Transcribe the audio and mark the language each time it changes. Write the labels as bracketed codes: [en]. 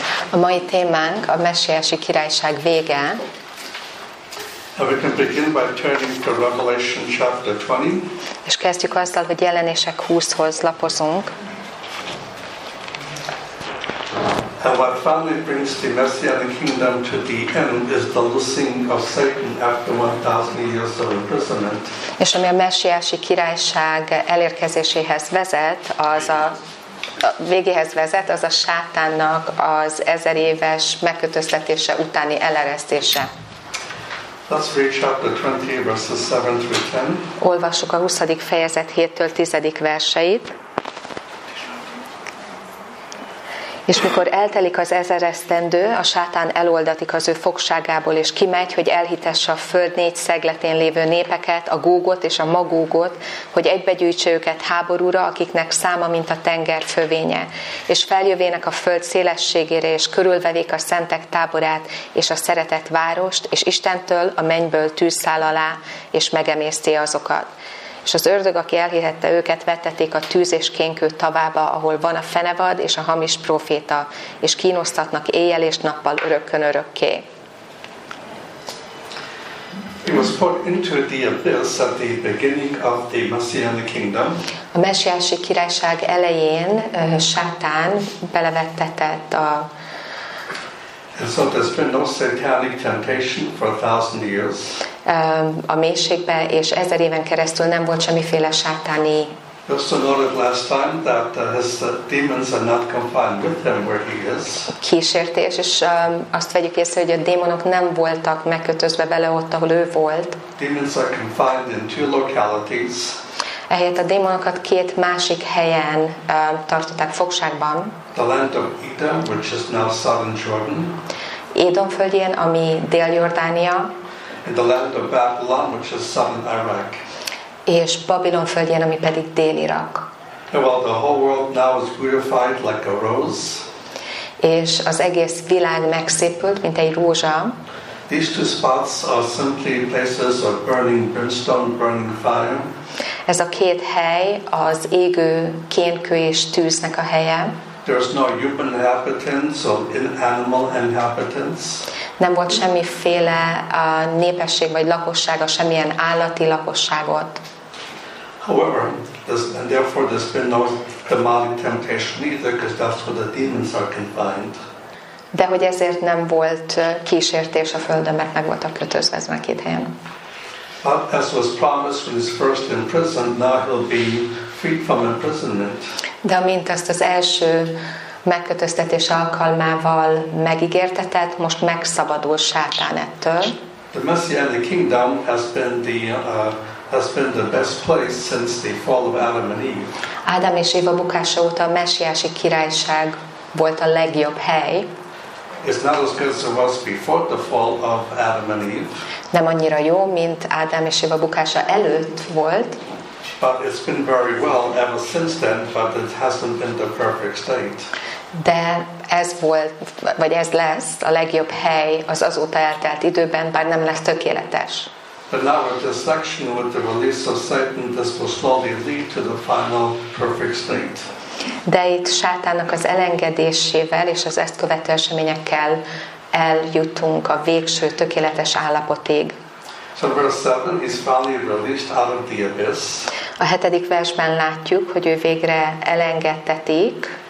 [hu] A mai témánk a messiási királyság vége. [en] And we can begin by turning to Revelation chapter 20. [hu] És kezdjük azzal, hogy Jelenések 20-hoz lapozunk. [en] And what finally brings the Messianic Kingdom to the end is the loosing of Satan after 1,000 years of imprisonment. [hu] És ami a messiási királyság elérkezéséhez vezet, az a végéhez vezet, az a Sátánnak az 1000 éves megkötöztetése utáni eleresztése. [en] Let's read chapter 20, verses 7 through 10. [hu] Olvassuk a 20. fejezet 7-től 10. verseit. És mikor eltelik az 1000 esztendő, a Sátán eloldatik az ő fogságából, és kimegy, hogy elhitesse a föld 4 szegletén lévő népeket, a Gógot és a Magógot, hogy egybegyűjtse őket háborúra, akiknek száma, mint a tenger fövénye. És feljövének a föld szélességére, és körülvevék a szentek táborát, és a szeretett várost, és Istentől a mennyből tűzszál alá, és megemészti azokat. És az ördög, aki elhihette őket, vetették a tűz és kénkő tavába, ahol van a fenevad és a hamis proféta, és kínoztatnak éjjel és nappal örökkön örökké. [en] He was put into the abyss at the beginning of the Messianic Kingdom. [hu] A messiási királyság elején Sátán belevettetett a... [en] And so there's been no satanic temptation for a thousand years. [hu] A mélységbe, és 1000 éven keresztül nem volt semmiféle sátáni. [en] You also noted last time that his demons are not confined with him where he is. [hu] Kísértés, és azt vegyük észre, hogy a démonok nem voltak megkötözve vele ott, ahol ő volt. [en] Demons are confined in two localities. [hu] Ehelyett a démonokat két másik helyen tartották fogságban. [en] The land of Edom, which is now southern Jordan. [hu] Édom földjén, ami Dél-Jordánia. [en] In the land of Babylon, which is southern Iraq. [hu] És Babilon földjén, ami pedig Dél-Irak. [en] And while the whole world now is beautified like a rose. [hu] És az egész világ megszépült, mint egy rózsa. [en] These two spots are simply places of burning brimstone, burning fire. [hu] Ez a két hely az égő kénkő és tűznek a helye. [en] There's no human inhabitants or animal inhabitants. [hu] Nem volt semmiféle a népesség vagy lakossága, semmilyen állati lakosságot. [en] However, and therefore there's been no demonic temptation either, because that's where the demons are confined. [hu] De hogy ezért nem volt kísértés a földön, mert meg voltak kötözve ez két helyen. [en] But as was promised when he was first imprisoned, now he'll be freed from imprisonment. [hu] De amint ezt az első megkötöztetés alkalmával megígértetett, most megszabadul Sátán ettől. [en] The Messianic Kingdom has been the best place since the fall of Adam and Eve. [hu] Ádám és Éva bukása óta a messiási királyság volt a legjobb hely. [en] It's not as good as it was before the fall of Adam and Eve. [hu] Nem annyira jó, mint Ádám és Éva bukása előtt volt. [en] But it's been very well ever since then, but it hasn't been the perfect state. [hu] De ez volt, vagy ez lesz a legjobb hely az azóta eltelt időben, bár nem lesz tökéletes. [en] But now with this section, with the release of Satan, this will slowly lead to the final perfect state. [hu] De itt Sátánnak az elengedésével és az ezt követő eseményekkel eljutunk a végső tökéletes állapotig. [en] So verse 7, he's finally released out of the abyss. [hu] A hetedik versben látjuk, hogy ő végre elengedtetik.